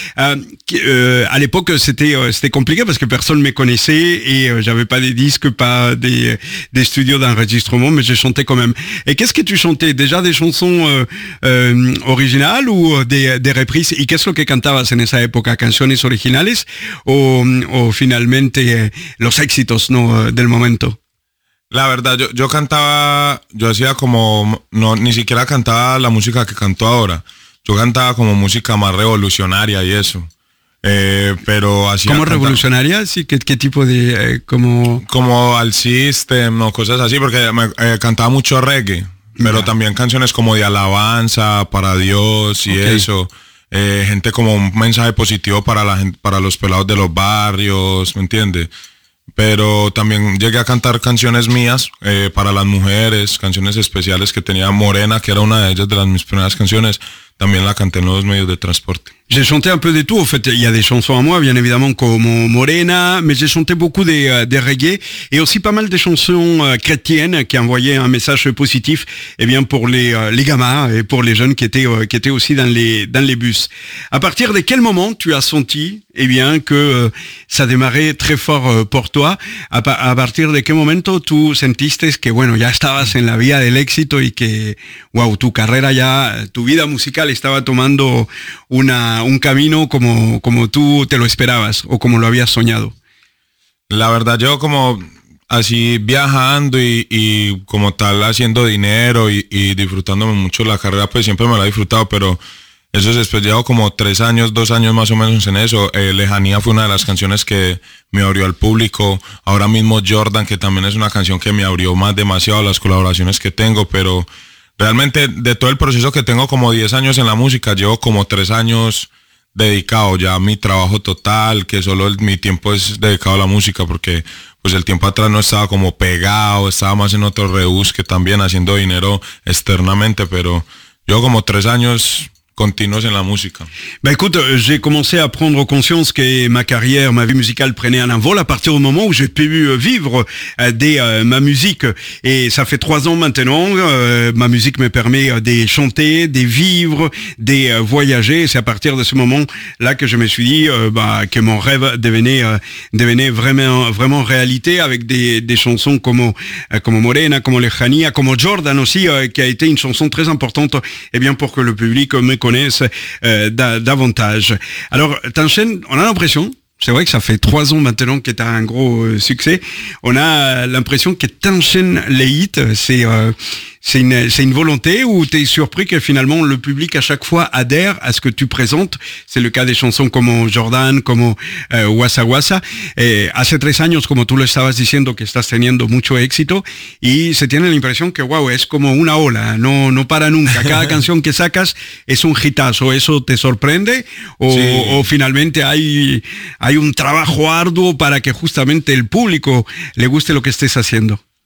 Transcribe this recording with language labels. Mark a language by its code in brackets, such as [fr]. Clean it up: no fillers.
[fr] À l'époque, c'était compliqué parce que personne ne me connaissait et j'avais pas des disques, pas des studios d'enregistrement, mais je chantais quand même. Et qu'est-ce que tu chantais? Déjà des chansons originales ou des reprises? Et qu'est-ce que [es] cantabas en esa época? ¿Canciones originales o finalmente los éxitos, no, del momento? La verdad, yo cantaba, yo hacía como, no, ni siquiera cantaba la música que canto ahora. Yo cantaba como música más revolucionaria y eso. Pero hacía. ¿Cómo revolucionaria? Sí, ¿qué tipo de, como? Como al System o cosas así, porque me cantaba mucho reggae, pero también canciones como de alabanza para Dios y eso. Gente como un mensaje positivo para la gente, para los pelados de los barrios, ¿me entiendes? Pero también llegué a cantar canciones mías para las mujeres, canciones especiales que tenía Morena, que era una de ellas, de las mis primeras canciones. También la canté en los medios de transporte. [fr] J'ai chanté un peu de tout, en fait. Il y a des chansons à moi, bien évidemment, comme Morena, mais j'ai chanté beaucoup de reggae et aussi pas mal de chansons chrétiennes qui envoyaient un message positif, eh bien, pour les gamins et pour les jeunes qui étaient aussi dans les bus. À partir de quel moment tu as senti, eh bien, que ça démarrait très fort pour toi? À partir de quel moment tu [es] sentiste que, bueno, ya estabas en la vía del éxito y que, wow, tu carrera ya, tu vida musical estaba tomando un camino como tú te lo esperabas o como lo habías soñado? La verdad, yo como así viajando y como tal haciendo dinero y disfrutándome mucho la carrera, pues siempre me la he disfrutado, pero eso es después, llevo como dos años más o menos en eso. Lejanía fue una de las canciones que me abrió al público. Ahora mismo Jordan, que también es una canción que me abrió más demasiado las colaboraciones que tengo, pero realmente de todo el proceso que tengo como 10 años en la música, llevo como 3 años dedicado ya a mi trabajo total, que solo mi tiempo es dedicado a la música, porque pues el tiempo atrás no estaba como pegado, estaba más en otro rebus que también haciendo dinero externamente, pero llevo como 3 años continuos en la música. [fr] Bah écoute, j'ai commencé à prendre conscience que ma carrière, ma vie musicale prenait un envol à partir du moment où j'ai pu vivre ma musique. Et ça fait 3 ans maintenant, ma musique me permet de chanter, de vivre, de voyager. C'est à partir de ce moment-là que je me suis dit que mon rêve devenait vraiment, vraiment réalité, avec des chansons comme Morena, comme Lejanía, comme Jordan aussi, qui a été une chanson très importante, eh bien, pour que le public me connaissent davantage. Alors, t'enchaînes, on a l'impression, c'est vrai que ça fait 3 ans maintenant que t'as un gros succès, on a l'impression que t'enchaînes les hits, c'est une volonté, ou t'es surpris que finalement le public à chaque fois adhère à ce que tu présentes? C'est le cas des chansons comme Jordan, comme Wassa Wassa, et [es] hace 3 años, [fr] comme tu le [es] estabas diciendo, que estás teniendo mucho éxito, y se tiene la impresión que, wow, es como una ola, no para nunca, cada canción que sacas es un hitazo. ¿Eso te sorprende? O finalmente hay un trabajo arduo para que justamente el público le guste lo que estés haciendo.